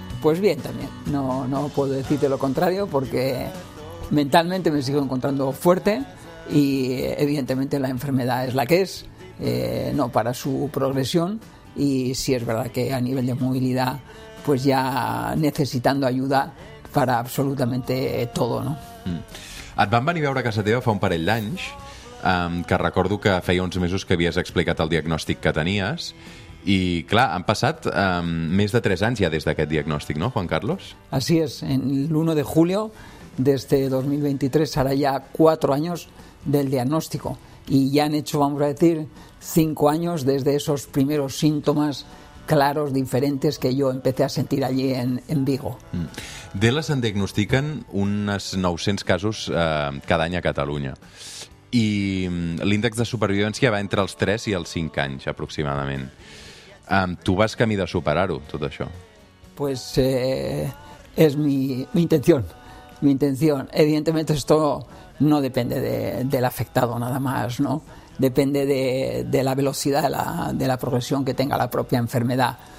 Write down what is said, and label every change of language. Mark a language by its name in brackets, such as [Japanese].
[Spanish] Pues bien también, no puedo decirte lo contrario porque mentalmente me sigo encontrando fuerte y evidentemente la enfermedad es la que es, no para su progresión y sí es verdad que a nivel de movilidad pues ya necesitando ayuda para absolutamente todo, ¿no? [Catalan] Et van venir a veure a casa teva fa un parell d'anys, que recordo que feia uns mesos que havies explicat el diagnòstic que tenies. [Spanish] Y claro, han pasado más de 3 años ya desde aquel diagnóstico, ¿no, Juan Carlos? Así es, en el 1 de julio de este 2023 hará ya 4 años del diagnóstico y ya han hecho, vamos a decir, 5 años desde esos primeros síntomas claros, diferentes, que yo empecé a sentir allí en Vigo. [Catalan] De la se'n diagnostiquen unos 900 casos cada año a Cataluña. I l'índex de supervivència va entre els 3 i els 5 anys, aproximadament. Tu vas camí de superar-ho, tot això? [Spanish] Pues es mi intención. Mi intención. Evidentemente esto no depende del afectado nada más, ¿no? Depende de la velocidad, de la progresión que tenga la propia enfermedad.